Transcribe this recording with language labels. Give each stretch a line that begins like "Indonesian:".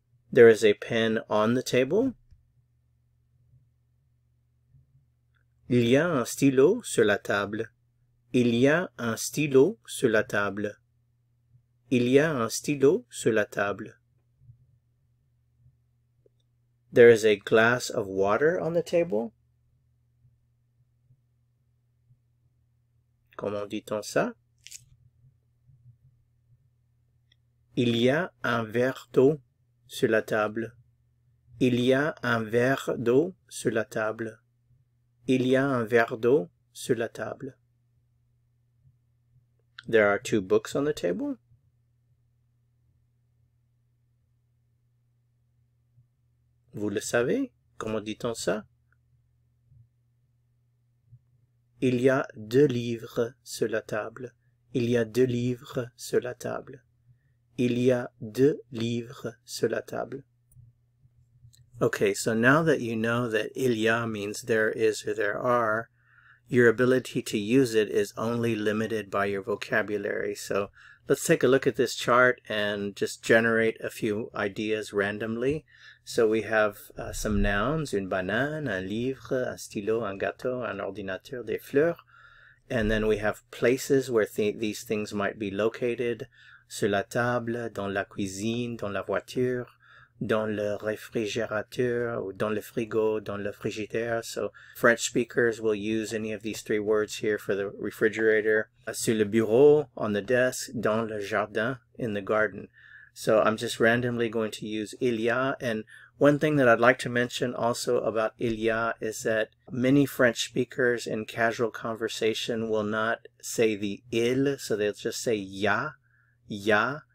English: There is a pen on the table.
French: Il y a un stylo sur la table. Il y a un stylo sur la table. Il y a un stylo sur la table.
English: There is a glass of water on the table.
French: Comment dit-on ça? Il y a un verre d'eau sur la table. Il y a un verre d'eau sur la table. Il y a un verre d'eau sur la table.
English: There are two books on the table.
French: Vous le savez? Comment dit-on ça? Il y a deux livres sur la table. Il y a deux livres sur la table. Il y a deux livres sur la table.
English: Okay, so now that you know that il y a means there is or there are, your ability to use it is only limited by your vocabulary. So let's take a look at this chart and just generate a few ideas randomly. So we have some nouns,
French: une banane, un livre, un stylo, un gâteau, un ordinateur, des fleurs.
English: And then we have places where these things might be located.
French: Sur la table, dans la cuisine, dans la voiture, dans le réfrigérateur, ou dans le frigo, dans le frigidaire.
English: So French speakers will use any of these three words here for the refrigerator.
French: Sur le bureau,
English: on the desk,
French: dans le jardin,
English: in the garden. So I'm just randomly going to use il y a. And one thing that I'd like to mention also about il y a is that many French speakers in casual conversation will not say the il, so they'll just say ya, ya.